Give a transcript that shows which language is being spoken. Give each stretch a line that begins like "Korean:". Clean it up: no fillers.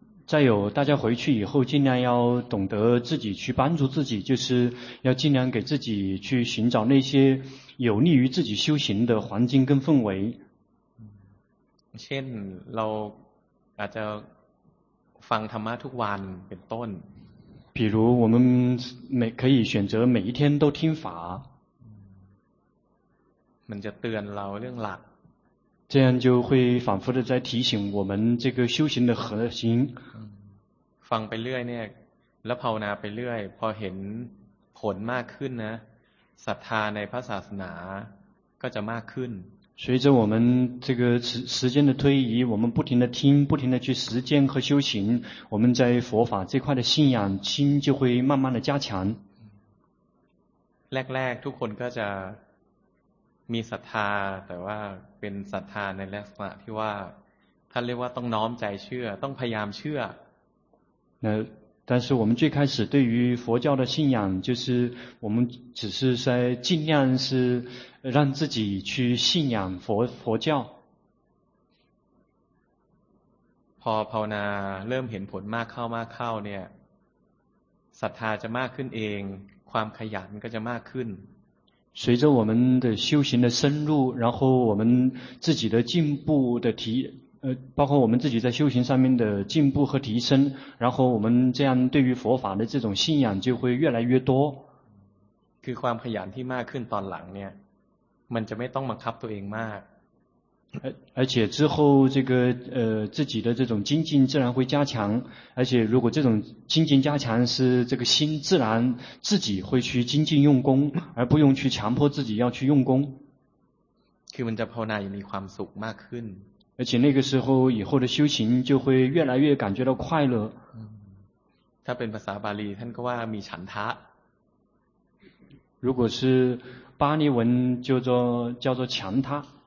Chinese: 再有大家回去以后尽量要懂得自己去帮助自己就是要尽量给自己去寻找那些有利于自己修行的环境跟氛围
Thai: เช่นเราอาจจะฟังธรรมะทุกวันเป็นต้น
Chinese: 比如我们可以选择每一天都听法
Thai: มันจะเตือนเราเรื่องหลัก
Chinese: 这样就会反复的在提醒我们这个修行的核心
Thai: ฟังไปเรื่อยเนี่ยแล้วภาวนาไปเรื่อยพอเห็นผลมากขึ้นนะศรัทธาในพระศาสนาก็จะมากขึ้น
Chinese: 随着我们这个时间的推移我们不停的听不停的去实践和修行我们在佛法这块的信仰心就会慢慢的加强
Thai: แรกๆทุกคนก็จะมีศรัทธาแต่ว่าเป็นศรัทธาในลักษณะที่ว่าท่านเรียกว่าต้องน้อมใจเชื่อต้องพยายามเชื่อ
Chinese: 那但是我们最开始对于佛教的信仰就是我们只是在尽量是让自己去信仰佛教
Thai: พอภาวนาเริ่มเห็นผลมากเข้าเนี่ยศรัทธาจะมากขึ้นเองความขยันก็จะมากขึ้น
Chinese: 随着我们的修行的深入然后我们自己的进步的提包括我们自己在修行上面的进步和提升然后我们这样对于佛法的这种信仰就会越来越多
Thai: คือความขยันที่มากขึ้นตอนหลังเนี่ยมันจะไม่ต้องบังคับตัวเองมาก
Chinese: 而且之后这个自己的这种精进自然会加强而且如果这种精进加强是这个心自然自己会去精进用功而不用去强迫自己要去用功
Thai: คือมันจะภาวนาอย่างมีความสุขมากขึ้น
Chinese: 而且那个时候以后的修行就会越来越感觉到快乐
Thai: ถ้าเป็นภาษาบาลีท่านก็ว่ามีฉันทะ
Chinese: 如果是巴利文叫做强他